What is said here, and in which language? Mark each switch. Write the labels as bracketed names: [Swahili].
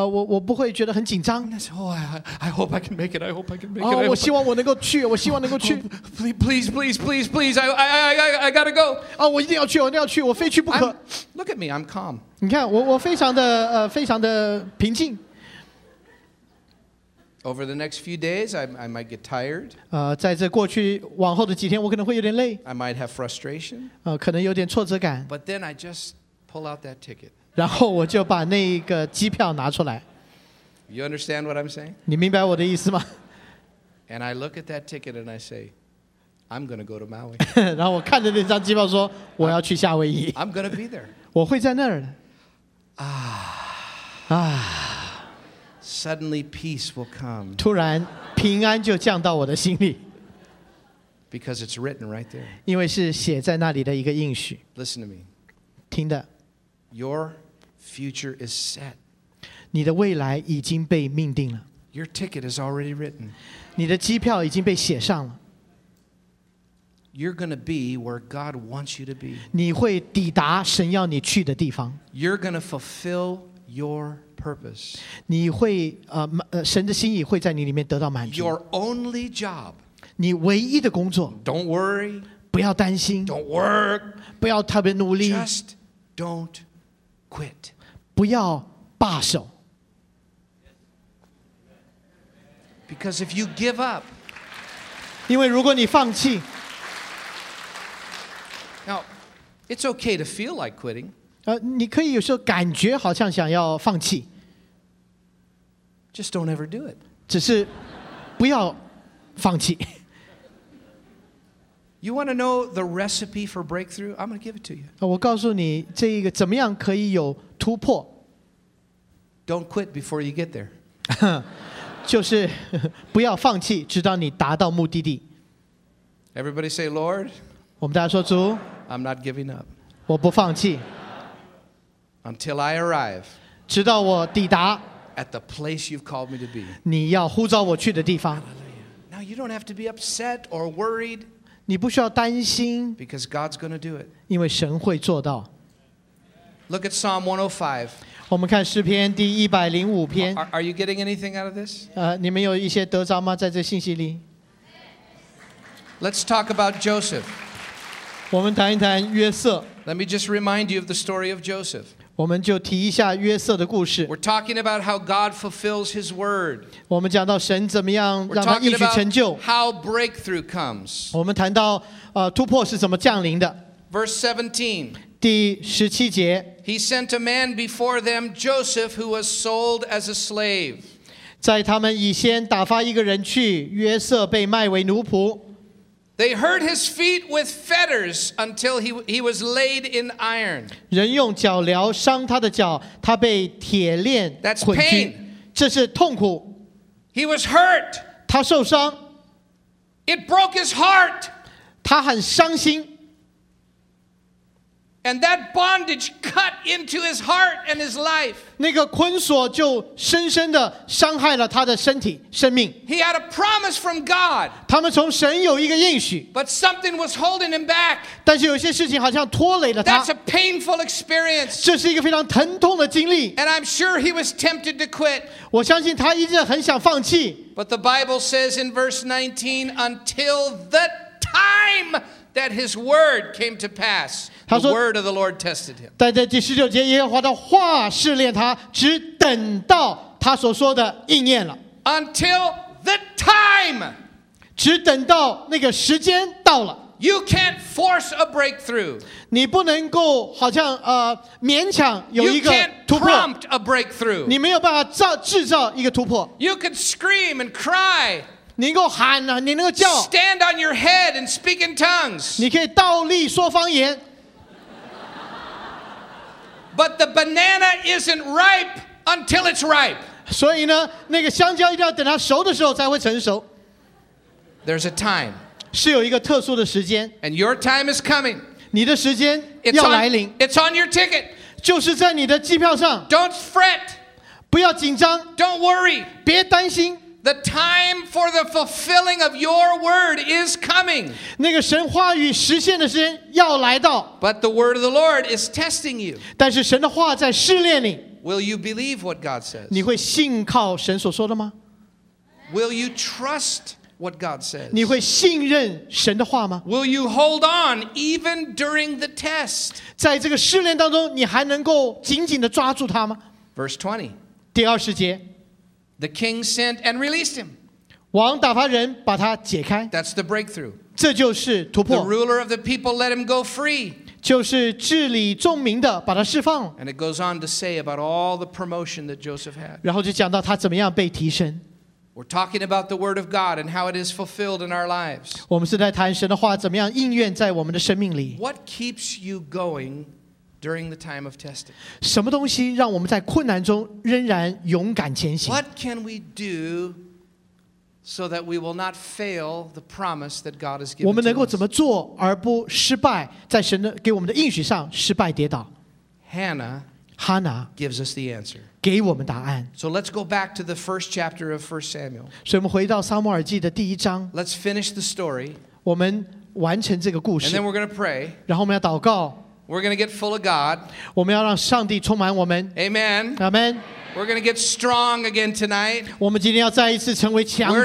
[Chinese] 我不会觉得很紧张。 [English] Oh, I hope I can make it. I hope I can make it. [Chinese] 我希望我能够去。我希望能够去。 [English] Please, please, please, please, please. I gotta go. [Chinese] 我一定要去。我一定要去。我非去不可。 [English] Look at me. I'm calm. [Chinese] 你看我非常的非常的平静。 [English] Over the next few days, I might get tired. [Chinese] 在这过去往后的几天，我可能会有点累。 [English] I might have frustration. [Chinese] 可能有点挫折感。 [English] But then I just pull out that ticket. [Chinese] 然后我就把那个机票拿出来。 [English] You understand what I'm saying? [Chinese] 你明白我的意思吗？ [English] And I look at that ticket and I say, I'm going to go to Maui. [Chinese] 然后我看着那张机票说，我要去夏威夷。 [English] I'm going to be there. [Chinese] 我会在那儿的。 [English] Suddenly peace will come. [Chinese] 突然平安就降到我的心里。 [English] Because it's written right there. [Chinese] 因为是写在那里的一个应许。 [English] Listen to me. [Chinese] 听的。 [English] Your future is set. [Chinese] 你的未来已经被命定了。 [English] Your ticket is already written. [Chinese] 你的机票已经被写上了。 [English] You're going to be where God wants you to be. [Chinese] 你会抵达神要你去的地方。 [English] You're going to fulfill your purpose. [Chinese] 你会神的心意会在你里面得到满足。 [English] Your only job. [Chinese] 你唯一的工作。 [English] Don't worry. [Chinese] 不要担心。 [English] Don't work. [Chinese] 不要特别努力。 [English] Just don't quit. [Chinese] 不要罢手。 [English] Because if you give up. [Chinese] 因为如果你放弃。 [English] Now, it's okay to feel like quitting. [Chinese] 你可以有时候感觉好像想要放弃。 [English] Just don't ever do it. [Chinese] 只是不要放弃。 [English] You want to know the recipe for breakthrough? I'm going to give it to you. [Chinese] 我告诉你这一个怎么样可以有突破。 [English] Don't quit before you get there. [Chinese] 就是不要放弃直到你达到目的地。 [English] Everybody say, Lord. [Chinese] 我们大家说主。 [English] I'm not giving up. [Chinese] 我不放弃。 [English] Until I arrive, [Chinese] 直到我抵达 [English] at the place you've called me to be, [Chinese] 你要呼召我去的地方。 [English] Now you don't have to be upset or worried, [Chinese] 你不需要担心 [English] because God's going to do it, [Chinese] 因为神会做到。 [English] Look at Psalm 105. [Chinese] 我们看诗篇第一百零五篇。 [English] Are you getting anything out of this? [Chinese] 你们有一些得着吗？在这信息里。 [English] Let's talk about Joseph. [Chinese] 我们谈一谈约瑟。 [English] Let me just remind you of the story of Joseph. [Chinese] 我们就提一下约瑟的故事。 [English] We're talking about how God fulfills His word. [Chinese] 我们讲到神怎么样让他应许成就。 [English] We're talking about how breakthrough comes. [Chinese] 我们谈到突破是怎么降临的。 [English] Verse 17. [Chinese] 第十七节。 [English] He sent a man before them, Joseph, who was sold as a slave. [Chinese] 在他们以先打发一个人去，约瑟被卖为奴仆。 [English] They hurt his feet with fetters until he was laid in iron. [Chinese] 人用脚镣伤他的脚，他被铁链捆拘。 [English] That's pain. [Chinese] 这是痛苦。 [English] He was hurt. [Chinese] 他受伤。 [English] It broke his heart. [Chinese] 他很伤心。 [English] And that bondage cut into his heart and his life. [Chinese] 那个捆锁就深深地伤害了他的身体、生命。 [English] He had a promise from God. [Chinese] 他们从神有一个应许。 [English] But something was holding him back. [Chinese] 但是有些事情好像拖累了他。 [English] That's a painful experience. [Chinese] 这是一个非常疼痛的经历。 [English] And I'm sure he was tempted to quit. [Chinese] 我相信他一直很想放弃。 [English] But the Bible says in verse 19, until the time that his word came to pass. [Chinese] 他说 [English] the word of the Lord tested him. [Chinese] 但在第十九节，耶和华的话试炼他，只等到他所说的应验了。 [English] Until the time. [Chinese] 只等到那个时间到了。 [English] You can't force a breakthrough. [Chinese] 你不能够好像勉强有一个突破。 [English] You can't prompt a breakthrough. [Chinese] 你没有办法制造一个突破。 [English] You can scream and cry. [Chinese] 你能够喊啊，你能够叫。 [English] Stand on your head and speak in tongues. [Chinese] 你可以倒立说方言。 [English] But the banana isn't ripe until it's ripe. [Chinese] 所以呢，那个香蕉一定要等它熟的时候才会成熟。 [English] There's a time. [Chinese] 是有一个特殊的时间。 [English] And your time is coming. [Chinese] 你的时间要来临。 [English] It's on your ticket. [Chinese] 就是在你的机票上。 [English] Don't fret. [Chinese] 不要紧张。 [English] Don't worry. [Chinese] 别担心。 [English] The time for the fulfilling of your word is coming. [Chinese] 那个神话语实现的时间要来到。 [English] But the word of the Lord is testing you. [Chinese] 但是神的话在试炼你。 [English] Will you believe what God says? [Chinese] 你会信靠神所说的吗？ [English] Will you trust what God says? [Chinese] 你会信任神的话吗？ [English] Will you hold on even during the test? [Chinese] 在这个试炼当中，你还能够紧紧地抓住他吗？ [English] Verse 20. [Chinese] 第二十节。 [English] The king sent and released him. [Chinese] 王打发人把他解开。 [English] That's the breakthrough. [Chinese] 这就是突破。 [English] The ruler of the people let him go free. [Chinese] 就是治理众民的把他释放。 [English] And it goes on to say about all the promotion that Joseph had. [Chinese] 然后就讲到他怎么样被提升。 [English] We're talking about the word of God and how it is fulfilled in our lives. [Chinese] 我们是在谈神的话怎么样应验在我们的生命里。 [English] What keeps you going during the time of testing? [Chinese] 什么东西让我们在困难中仍然勇敢前行？ [English] What can we do so that we will not fail the promise that God has given us? [Chinese] 我们能够怎么做而不失败，在神给我们的应许上失败跌倒？ [English] Hannah gives us the answer. [Chinese] 给我们答案。 [English] So let's go back to the first chapter of 1 Samuel. [Chinese] 所以我们回到撒母耳记的第一章。 [English] Let's finish the story. [Chinese] 我们完成这个故事。 [English] And then we're going to pray. [Chinese] 然后我们要祷告。 [English] We're going to get full of God. [Chinese] 我们要让上帝充满我们。 [English] Amen. Amen. We're going to get strong again tonight. [Chinese] 我们今天要再一次成为强壮。